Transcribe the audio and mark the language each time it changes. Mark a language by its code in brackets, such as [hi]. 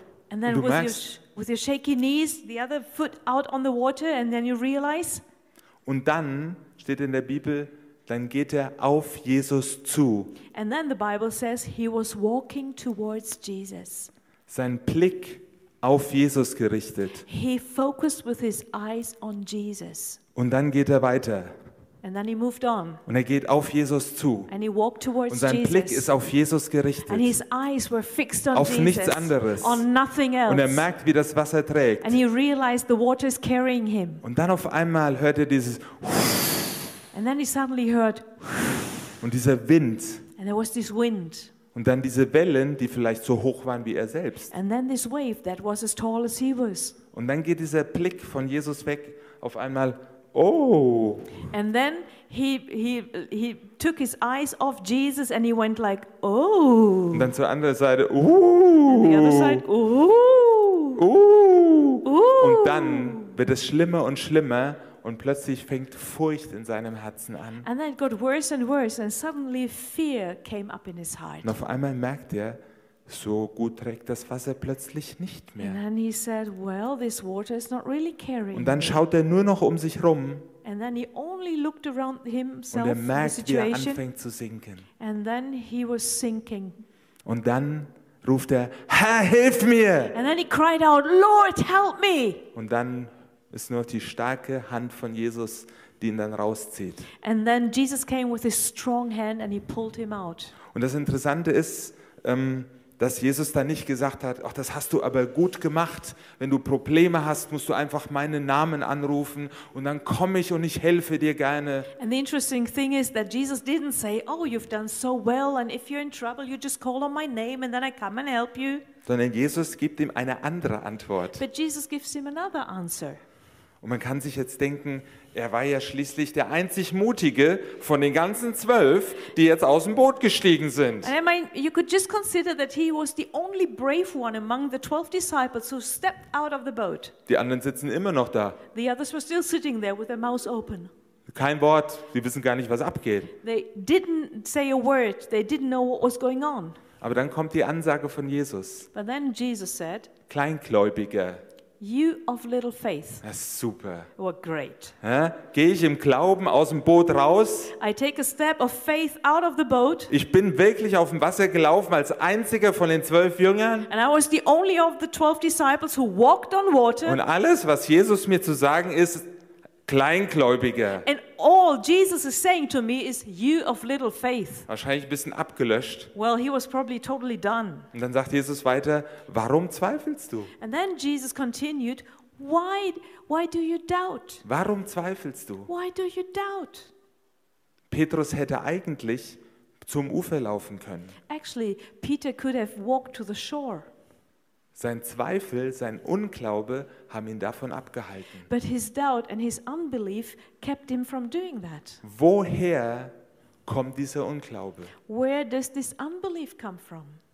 [en] And then with your shaky knees, the other foot out on the water and then you realize. [de] Und dann steht in der Bibel, dann geht er auf Jesus zu. [en] And then the Bible says he was walking towards Jesus. [de] Sein Blick auf Jesus gerichtet. [en] He focused with his eyes on Jesus. [de] Und dann geht er weiter. [en] And then he moved on. [de] Und er geht auf Jesus zu. [en] And he walked towards [de] Jesus. Und sein Blick ist auf Jesus gerichtet. [en] And his eyes were fixed on [de] auf [en] Jesus. [de] Nichts anderes. [en] On nothing else. [de] Und er merkt, wie das Wasser trägt. [en] And he realized the water is carrying him. [de] Und dann auf einmal hört er dieses. [en] And then he suddenly heard. [de] Und dieser Wind. [en] And there was this wind. [de] Und dann diese Wellen, die vielleicht so hoch waren wie er selbst. [en] And then this wave that was as tall as he was. [de] Und dann geht dieser Blick von Jesus weg, auf einmal, oh. [en] And then he took his eyes off Jesus and he went like, oh. [de] Und dann zur anderen Seite, oh. [en] And the other side, oh. Oh. Oh. [de] Und dann wird es schlimmer und schlimmer und plötzlich fängt Furcht in seinem Herzen an. [en] And then it got worse and worse and suddenly fear came up in his heart. [de] Und auf einmal merkt er, so gut trägt das Wasser plötzlich nicht mehr. [en] And then he said, well, this water is not really carrying. [de] Und dann schaut er nur noch um sich rum. [en] And then he only looked around himself. [de] Und er merkt, wie er anfängt zu sinken. [en] And then he was sinking. [de] Und dann ruft er, Herr, hilf mir! [en] And then he cried out, Lord, help me! [de] Und dann ist nur die starke Hand von Jesus, die ihn dann rauszieht. [en] And then Jesus came with his strong hand and he pulled him out. [de] Und das Interessante ist, dass Jesus dann nicht gesagt hat, ach, das hast du aber gut gemacht. Wenn du Probleme hast, musst du einfach meinen Namen anrufen und dann komme ich und ich helfe dir gerne. [en] And the interesting thing is that Jesus didn't say, oh, you've done so well and if you're in trouble, you just call on my name and then I come and help you. [de] Sondern Jesus gibt ihm eine andere Antwort. [en] But Jesus gives him another answer. [de] Und man kann sich jetzt denken, er war ja schließlich der einzig Mutige von den ganzen 12, die jetzt aus dem Boot gestiegen sind. [en] And I mean, you could just consider that he was the only brave one among the 12 disciples who stepped out of the boat. [de] Die anderen sitzen immer noch da. [en] The others were still sitting there with their mouths open. [de] Kein Wort, die wissen gar nicht, was abgeht. [en] They didn't say a word, they didn't know what was going on. [de] Aber dann kommt die Ansage von Jesus. [en] But then Jesus said, [de] Kleingläubiger. [en] You of little faith. [de] Das super. [en] Well, great. [de] Ja, gehe ich im Glauben aus dem Boot raus? [en] I take a step of faith out of the boat. [de] Ich bin wirklich auf dem Wasser gelaufen als einziger von den 12 Jüngern. [en] And I was the only of the 12 disciples who walked on water. [de] Und alles, was Jesus mir zu sagen ist, Kleingläubiger. [en] And all Jesus is saying to me is, you of little faith. [de] Wahrscheinlich ein bisschen abgelöscht. [en] Well, he was probably totally done. [de] Und dann sagt Jesus weiter, warum zweifelst du? [en] And then Jesus continued, why do you doubt? [de] Warum zweifelst du? [en] Why do you doubt? [de] Petrus hätte eigentlich zum Ufer laufen können. [en] Actually, Peter could have walked to the shore. [de] Sein Zweifel, sein Unglaube haben ihn davon abgehalten. [en] But his doubt and his unbelief kept him from doing that. [de] Woher kommt dieser Unglaube? [en] Where does this unbelief come from?